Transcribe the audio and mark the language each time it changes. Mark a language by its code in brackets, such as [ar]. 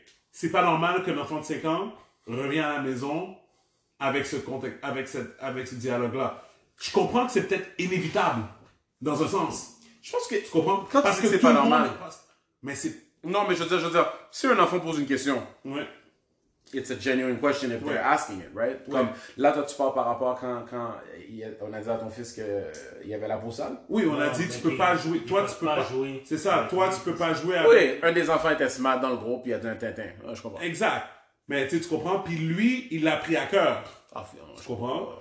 [fr] C'est pas normal qu'un enfant de 5 ans revienne à la maison avec ce contexte, avec ce dialogue-là. Je comprends que c'est peut-être inévitable, dans un sens. Je pense que... Tu comprends? Quand parce tu que c'est pas normal. Monde, mais c'est... Non, mais je veux dire, si un enfant pose une question... Ouais. [en] It's a genuine question if they're asking it, right? [fr] Ouais. Comme là, toi, tu parles par rapport quand on a dit à ton fils qu'il y avait la peau sale. Oui, on a dit tu peux pas jouer. Toi, tu peux pas jouer. C'est ça, toi, tu peux pas jouer. Oui, un des enfants était smart dans le groupe, il y a un tintin. Je comprends. Exact. Mais tu comprends? Puis lui, il l'a pris à cœur. Je comprends.